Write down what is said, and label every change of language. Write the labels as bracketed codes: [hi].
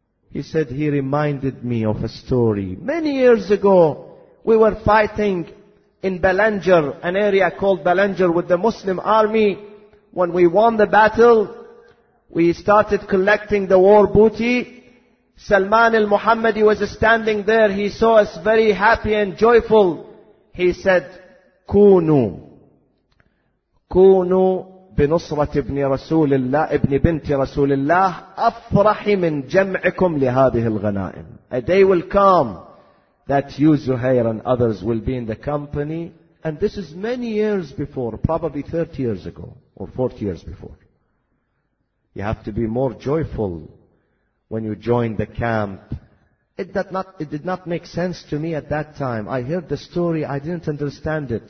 [en] He said, "He reminded me of a story. Many years ago, we were fighting in Belanger, an area called Belanger, with the Muslim army. When we won the battle, we started collecting the war booty. Salman al-Muhammadi was standing there. He saw us very happy and joyful. He said, 'Kunu. [ar] كونوا بنصرة ابن رسول الله ابن بنت رسول الله أفرح من جمعكم لهذه الغنائم. [en] A day will come that you, Zuhair, and others will be in the company." And this is many years before, probably 30 years ago or 40 years before. You have to be more joyful when you join the camp. It did not make sense to me at that time. I heard the story, I didn't understand it.